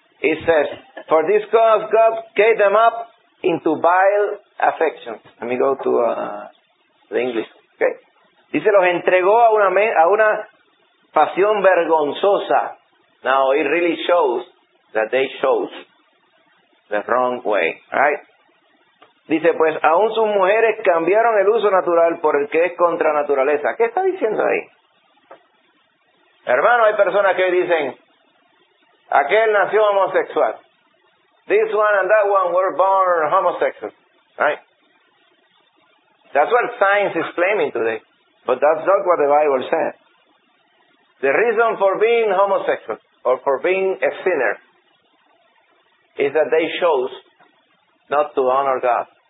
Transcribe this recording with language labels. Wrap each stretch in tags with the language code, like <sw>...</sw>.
<en>It says, for this cause God gave them up into vile affections. Let me go to the English. Okay.</en> <es>Dice, los entregó a una pasión vergonzosa.</es> <en>Now, it really shows that they chose the wrong way. Right?</en> <es>Dice, pues, aún sus mujeres cambiaron el uso natural por el que es contra naturaleza. ¿Qué está diciendo ahí? Hermano, hay personas que dicen, aquel nació homosexual.</es> <en>This one and that one were born homosexual. Right? That's what science is claiming today. But that's not what the Bible says. The reason for being homosexual or for being a sinner is that they chose not to honor God.</en>